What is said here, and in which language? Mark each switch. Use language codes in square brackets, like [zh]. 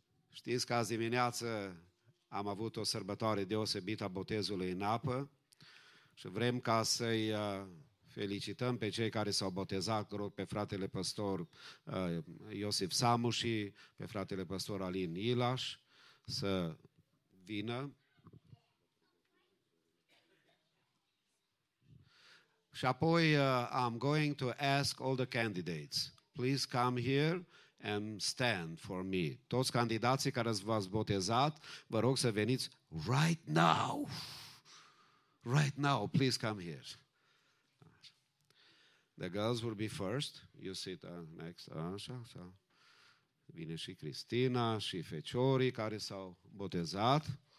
[ro] Știți că azi dimineață am avut o sărbătoare deosebită a botezului în apă și vrem ca să-i felicităm pe cei care s-au botezat, rog, pe fratele păstor Iosif Samu și pe fratele păstor Alin Ilaș să vină. Și apoi [en] I'm going to ask all the candidates, please come here and stand for me. [ro] Toți candidații care v-ați botezat, vă rog să veniți [en] right now. Right now, please come here. The girls will be first. You sit next. [ro] Așa, așa. Vine și Cristina, și feciorii care s-au botezat.